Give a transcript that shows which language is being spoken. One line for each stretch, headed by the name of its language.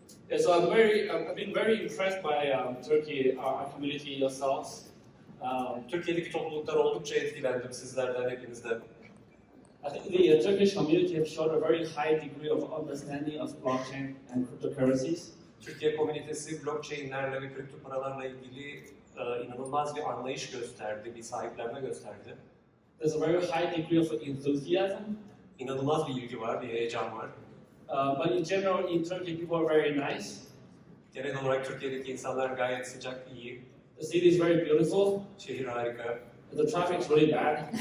English: Yeah, so I've been very impressed by Turkey, our community yourselves.
Turkish: Türkiye'deki topluluklar oldukça etkilendim sizlerden hepinizden.
English: I think the Turkish community have shown a very high degree of understanding of blockchain and cryptocurrencies.
Turkish: Türkiye komünitesi blockchain'lerle ve kripto paralarla ilgili inanılmaz bir anlayış gösterdi, bir sahiplenme gösterdi.
English: There's a very high degree of enthusiasm.
Turkish: İnanılmaz bir ilgi var, bir heyecan var.
English: But in general, in Turkey, people are very nice.
Turkish: Genel olarak Türkiye'deki insanlar gayet sıcak, iyi.
English: The city is very beautiful.
Turkish: Şehir harika.
English: The traffic is really bad.